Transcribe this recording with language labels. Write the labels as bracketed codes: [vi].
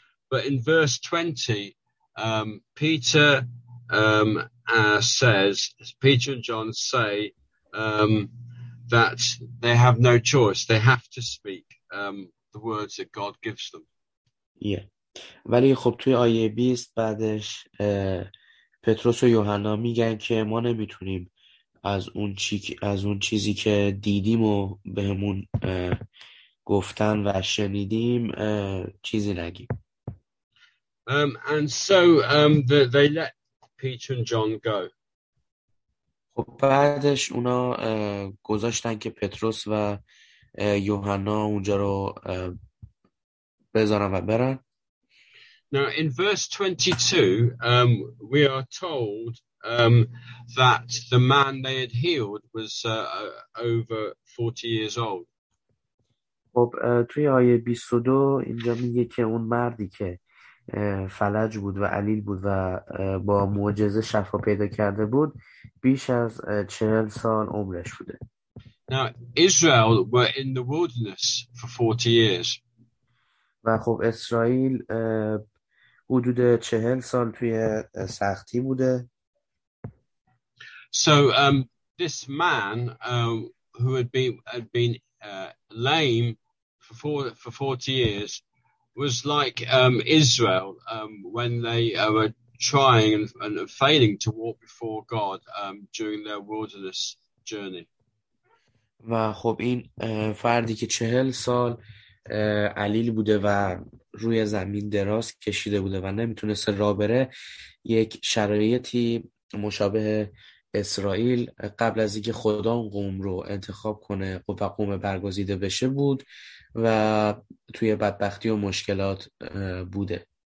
[en] But in verse 20 Peter says, Peter and John say that they have no choice, they have to speak the words that God gives them. Yeah. [fa] ولی خب توی آیه 20 بعدش پتروس و یوحنا میگن که ما نمیتونیم از اون چیزی که دیدیم و بهمون گفتن و شنیدیم چیزی نگیم. [en] And so they let Peter and John go. [fa] خب بعدش اونا گذاشتن که پتروس و یوحنا اونجا رو بذارن و برن. [en] Now in verse 22 we are told that the man they had healed was over 40 years old. [fa] خب توی آیه 22 اینجا میگه که اون مردی که فلج بود و علیل بود و با معجزه شفا پیدا کرده بود بیش از 40 سال عمرش بوده. [en] Now Israel were in the wilderness for 40 years. [fa] و خب اسرائیل حدود 40 سال توی سختی بوده. [en] So this man who had been lame for 40 years was like Israel when they were trying and failing to walk before God during their wilderness journey. [fa] و خب این فردی که 40 سال علیل بوده و روی زمین دراز کشیده بوده و نمیتونست راه بره، یک شرایطی مشابه اسرائیل قبل از اینکه خدا اون قوم رو انتخاب کنه و قوم برگزیده بشه بود و توی بدبختی و مشکلات بوده.